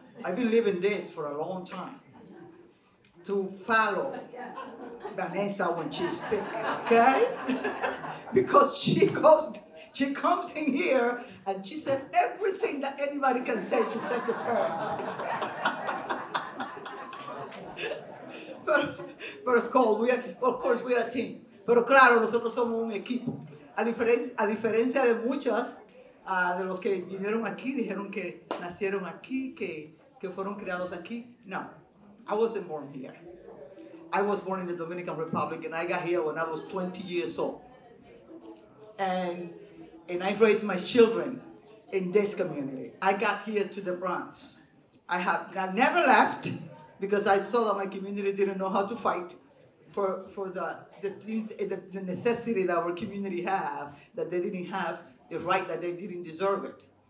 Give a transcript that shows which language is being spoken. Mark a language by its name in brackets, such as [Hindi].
[English] I've been living this for a long time. To follow Vanessa when she speaks, okay? Because she comes in here and she says everything that anybody can say, she says to her. but it's called, we are a team. [Spanish] Pero claro, nosotros somos un equipo. A diferencia de muchas de los que vinieron aquí, dijeron que nacieron aquí, que fueron creados aquí. [English] No, I wasn't born here. I was born in the Dominican Republic, and I got here when I was 20 years old. And I raised my children in this community. I got here to the Bronx. I never left because I saw that my community didn't know how to fight for the necessity that our community have, that they didn't have the right, that they didn't deserve it.